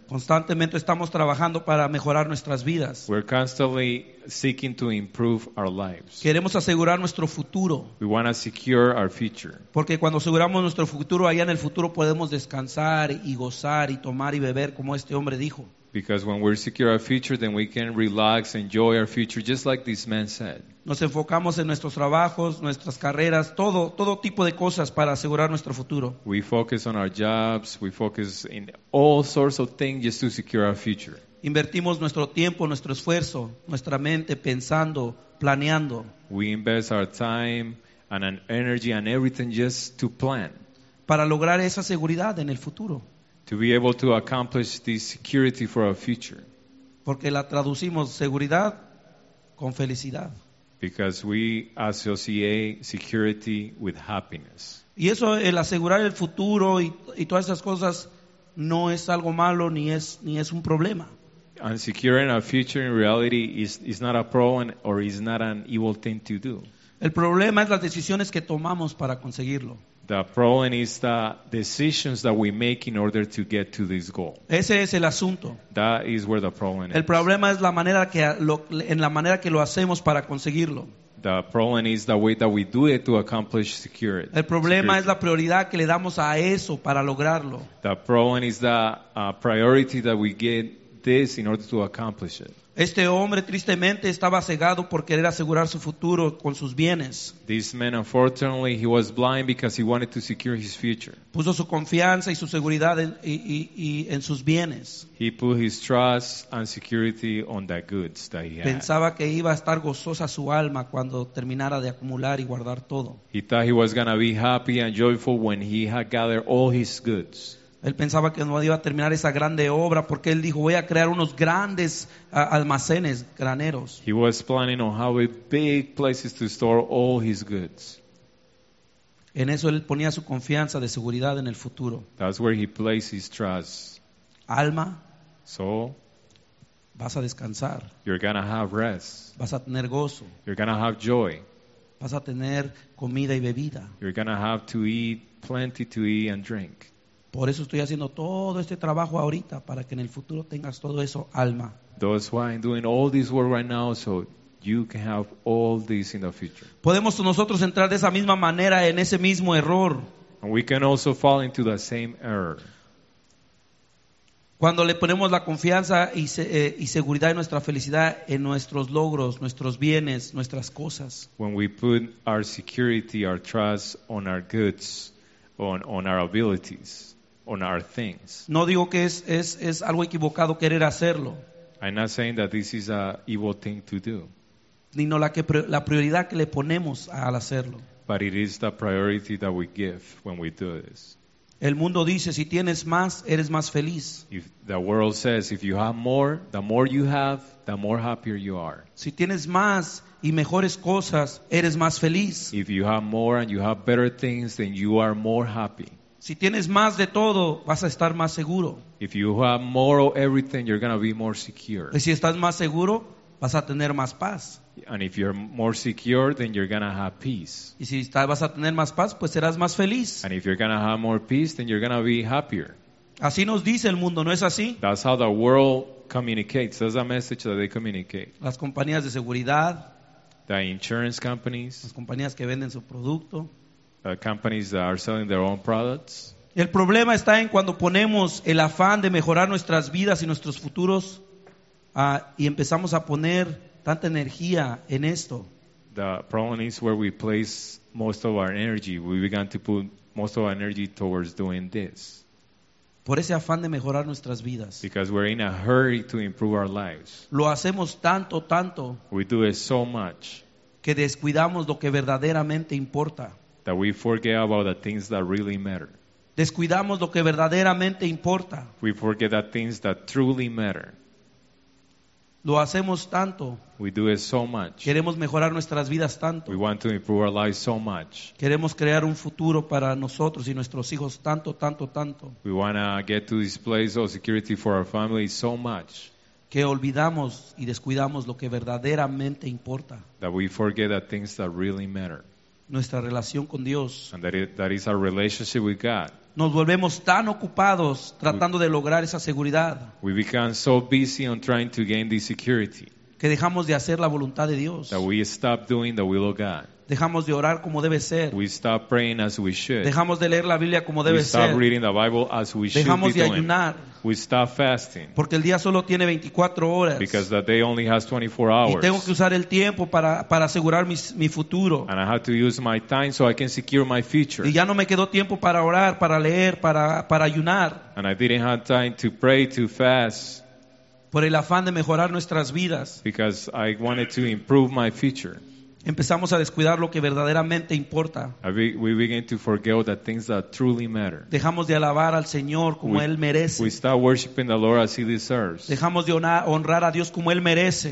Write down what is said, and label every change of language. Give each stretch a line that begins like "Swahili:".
Spanish: Constantemente estamos trabajando para mejorar nuestras vidas.
English: We're constantly seeking to improve our lives.
Spanish: Queremos asegurar nuestro futuro.
English: We want to secure our future.
Spanish: Porque cuando aseguramos nuestro futuro, allá en el futuro podemos descansar y gozar y tomar y beber, como este hombre dijo.
English: Because when we secure our future, then we can relax, enjoy our future, just like this man said.
Spanish: Nos enfocamos en nuestros trabajos, nuestras carreras, todo tipo de cosas para asegurar nuestro futuro.
English: We focus on our jobs, we focus in all sorts of things just to secure our future.
Spanish: Invertimos nuestro tiempo, nuestro esfuerzo, nuestra mente pensando, planeando.
English: We invest our time and an energy and everything just to plan.
Spanish: Para lograr esa seguridad en el futuro.
English: To be able to accomplish this security for our future.
Spanish: Porque la traducimos seguridad con felicidad.
English: Because we associate security with happiness.
Spanish: Y eso, el asegurar el futuro y todas esas cosas, no es algo malo ni es un problema.
English: And securing our future in reality is not a problem or is not an evil thing to do.
Spanish: El problema es las decisiones que tomamos para conseguirlo.
English: The problem is the decisions that we make in order to get to this goal.
Spanish: Ese es el asunto.
English: That is where the problem is.
Spanish: El problema es la manera en la manera que lo hacemos para conseguirlo.
English: The problem is the way that we do it to accomplish security.
Spanish: El problema es la prioridad que le damos a eso para lograrlo.
English: The problem is the priority that we get this in order to accomplish it.
Spanish: Este hombre tristemente estaba cegado por querer asegurar su futuro con sus bienes.
English: This man, unfortunately, he was blind because he wanted to secure his future.
Spanish: Puso su confianza y su seguridad en sus bienes.
English: He put his trust and security on the goods that he had.
Spanish: Pensaba que iba a estar gozosa su alma cuando terminara de acumular y guardar todo.
English: He thought he was going to be happy and joyful when he had gathered all his goods.
Spanish: Él pensaba que no iba a terminar esa grande obra porque él dijo, voy a crear unos grandes almacenes, graneros.
English: He was planning on having big places to store all his goods.
Spanish: En eso él ponía su confianza de seguridad en el futuro.
English: That's where he placed his trust.
Spanish: Alma.
English: Soul.
Spanish: Vas a descansar.
English: You're gonna have rest.
Spanish: Vas a tener gozo.
English: You're gonna have joy.
Spanish: Vas a tener comida y bebida.
English: You're gonna have to eat, plenty to eat and drink.
Spanish: Por eso estoy haciendo todo este trabajo ahorita, para que en el futuro tengas todo eso, alma.
English: That's why I'm doing all this work right now, so you can have all this in the future.
Spanish: Podemos nosotros entrar de esa misma manera en ese mismo error.
English: And we can also fall into the same error.
Spanish: Cuando le ponemos la confianza y seguridad en nuestra felicidad, en nuestros logros, nuestros bienes, nuestras cosas.
English: When we put our security, our trust on our goods, on our abilities, on our things.
Spanish: No digo que es algo equivocado querer hacerlo.
English: I'm not saying that this is a evil thing to do.
Spanish: Sino la prioridad que le ponemos al hacerlo.
English: But it is the priority that we give when we do this.
Spanish: El mundo dice, si tienes más, eres más feliz.
English: If the world says, if you have more, the more you have, the more happier you are.
Spanish: Si tienes más y mejores cosas, eres más feliz.
English: If you have more and you have better things, then you are more happy.
Spanish: Si tienes más de todo, vas a estar más seguro.
English: If you have more of everything, you're going to be more secure.
Spanish: Y si estás más seguro, vas a tener más paz.
English: And if you're more secure, then you're going to have peace.
Spanish: Y si vas a tener más paz, pues serás más feliz.
English: And if you're going to have more peace, then you're going to be happier.
Spanish: Así nos dice el mundo, ¿no es así?
English: That's how the world communicates. That's a message that they communicate.
Spanish: Las compañías de seguridad,
English: the insurance companies,
Spanish: las compañías que venden su producto,
English: the companies that are selling their own products.
Spanish: El problema está en cuando ponemos el afán de mejorar nuestras vidas y nuestros futuros y empezamos a poner tanta energía en esto.
English: The problem is where we place most of our energy. We began to put most of our energy towards doing this.
Spanish: Por ese afán de mejorar nuestras vidas.
English: Because we're in a hurry to improve our lives.
Spanish: Lo hacemos tanto, tanto.
English: We do it so much.
Spanish: Que descuidamos lo que verdaderamente importa.
English: That we forget about the things that really matter.
Spanish: Descuidamos lo que verdaderamente importa.
English: We forget the things that truly matter.
Spanish: Lo hacemos tanto.
English: We do it so much.
Spanish: Queremos mejorar nuestras vidas tanto.
English: We want to improve our lives so much.
Spanish: Queremos crear un futuro para nosotros y nuestros hijos tanto, tanto, tanto.
English: We want to get to this place of security for our family so much.
Spanish: Que olvidamos y descuidamos lo que verdaderamente importa.
English: That we forget the things that really matter.
Spanish: Nuestra relación con Dios.
English: And that is our relationship with God.
Spanish: Nos volvemos tan ocupados tratando de lograr esa seguridad.
English: We become so busy on trying to gain this security.
Spanish: Que dejamos de hacer la voluntad de Dios.
English: That we stop doing the will of God.
Spanish: Dejamos de orar como debe ser.
English: We stop praying as we should.
Spanish: Dejamos de leer la Biblia como debe ser.
English: We stop reading the Bible as we should be.
Spanish: Dejamos de ayunar.
English: We stop fasting.
Spanish: Porque el día solo tiene 24 horas.
English: Because the day only has 24 hours.
Spanish: Y tengo que usar el tiempo para asegurar mi futuro.
English: And I have to use my time so I can secure my future.
Spanish: Y ya no me quedó tiempo para orar, para leer, para ayunar.
English: And I didn't have time to pray, to fast.
Spanish: Por el afán de mejorar nuestras vidas.
English: Because I wanted to improve my future.
Spanish: Empezamos a descuidar lo que verdaderamente importa.
English: We begin to forget the things that truly matter.
Spanish: Dejamos de alabar al Señor como Él merece.
English: We stop worshiping the Lord as He deserves.
Spanish: Dejamos de honrar a Dios como Él merece.